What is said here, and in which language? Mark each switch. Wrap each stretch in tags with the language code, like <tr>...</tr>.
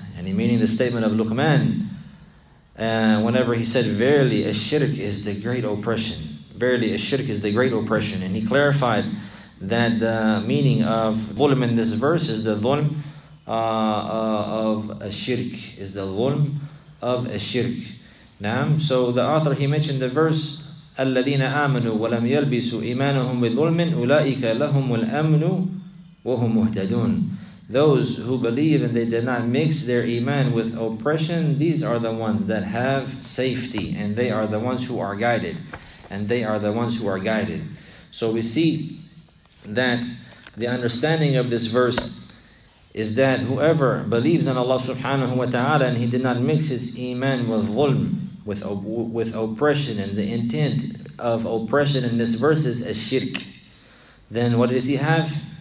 <en>And he meaning the statement of Luqman, whenever he said, verily ash-shirk is the great oppression. Verily ash-shirk is the great oppression. And he clarified that the meaning of dhulm in this verse is the dhulm of ash-shirk. Is the dhulm of ash-shirk.</en> <ar>Naam. So the author, he mentioned the verse, الَّذِينَ آمَنُوا وَلَمْ يَلْبِسُوا إِيمَانَهُمْ بِظُلْمٍ أُولَٰئِكَ لَهُمُ الْأَمْنُ وَهُمْ مُهْتَدُونَ.</ar> <en>Those who believe and they did not mix their iman with oppression, these are the ones that have safety, and they are the ones who are guided. And they are the ones who are guided. So we see that the understanding of this verse is that whoever believes in Allah subhanahu wa ta'ala and he did not mix his iman with ظلم, with oppression, and the intent of oppression in this verse is ash-shirk, then what does he have?</en>